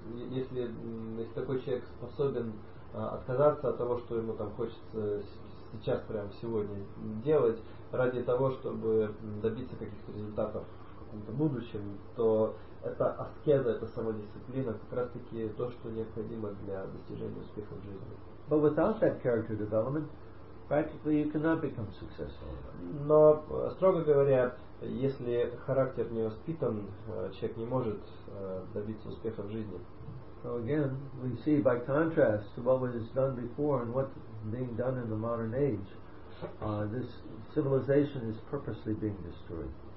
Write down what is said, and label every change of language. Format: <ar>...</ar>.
<ru>Если такой человек способен отказаться от того, что ему там хочется сейчас прямо сегодня делать ради того, чтобы добиться каких-то результатов в каком-то будущем, то это аскеза, это самодисциплина, как раз таки то, что необходимо для достижения успеха в жизни.</ru> <en>But without that character development, practically you cannot become successful.</en> <ru>Но строго говоря, если характер не воспитан, человек не может добиться успеха в жизни.</ru> <en>So again, we see by contrast to what was done before and what being done in the modern age, this civilization is purposely being destroyed.</en>